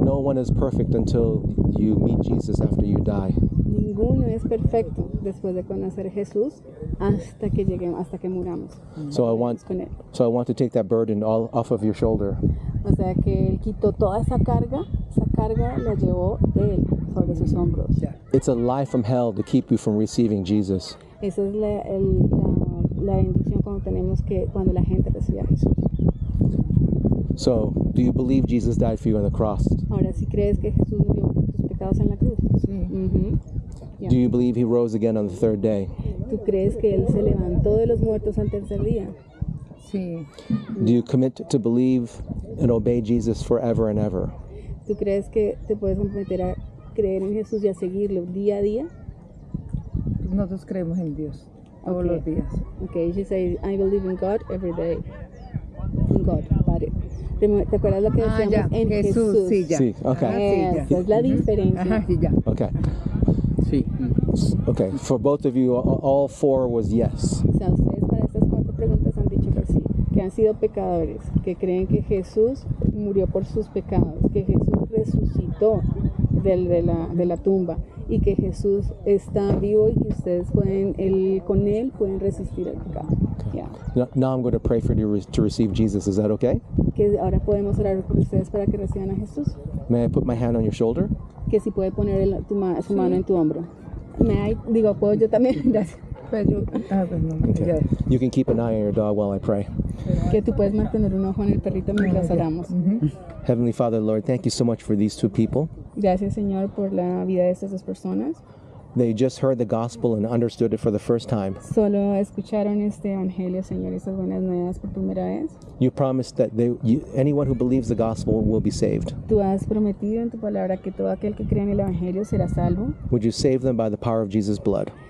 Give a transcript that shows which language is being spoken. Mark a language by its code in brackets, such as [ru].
[en] No one is perfect until you meet Jesus after you die. [es] Ninguno es perfecto después de conocer a Jesús hasta que lleguemos, hasta que muramos. [en] So I want to take that burden all off of your shoulder. [es] O sea que él quitó toda esa carga la llevó de él sobre sus hombros. [en] It's a lie from hell to keep you from receiving Jesus. [es] Esa es la bendición cuando tenemos que cuando la gente recibe a Jesús. [en] So, do you believe Jesus died for you on the cross? [es] Ahora, ¿sí crees que Jesús murió por tus pecados en la cruz? Sí. [en] Do you believe he rose again on the third day? [es] ¿Tú crees que él se levantó de los muertos al tercer día? Sí. [en] Do you commit to believe and obey Jesus forever and ever? [es] ¿Tú crees que te puedes comprometer a creer en Jesús y a seguirlo día a día? Nosotros creemos en Dios todos [en] okay. [es] los días. [en] Okay, she said, I believe in God every day. In God, Padre. [es] ¿Te acuerdas lo que decíamos? Ya. En Jesús, sí, ya. Sí, ok. Esa es la diferencia. Ajá, sí, ya. Ok. Sí. [en] Ok, for both of you, all four was yes. [es] O sea, ustedes para estas cuatro preguntas han dicho que sí, que han sido pecadores, que creen que Jesús murió por sus pecados, que Jesús resucitó de la tumba y que Jesús está vivo y que ustedes pueden, él, con él pueden resistir al pecado. [en] Yeah. Now I'm going to pray for you to receive Jesus. Is that okay? [es] Que ahora podemos orar por ustedes para que reciban a Jesús. [en] May I put my hand on your shoulder? [es] Que si puede poner su mano en tu hombro. Puedo yo también. Gracias. [en] Okay. You can keep an eye on your dog while I pray. [es] Que tú puedes mantener un ojo en el perrito mientras oramos. [en] Heavenly Father, Lord, thank you so much for these two people. [es] Gracias, Señor, por la vida de estas dos personas. [en] They just heard the gospel and understood it for the first time. [es] Solo escucharon este evangelio, Señor, estas buenas nuevas por primera vez. [en] You promised that anyone who believes the gospel will be saved. [es] Tú has prometido en tu palabra que todo aquel que cree en el evangelio será salvo. [en] Would you save them by the power of Jesus' blood?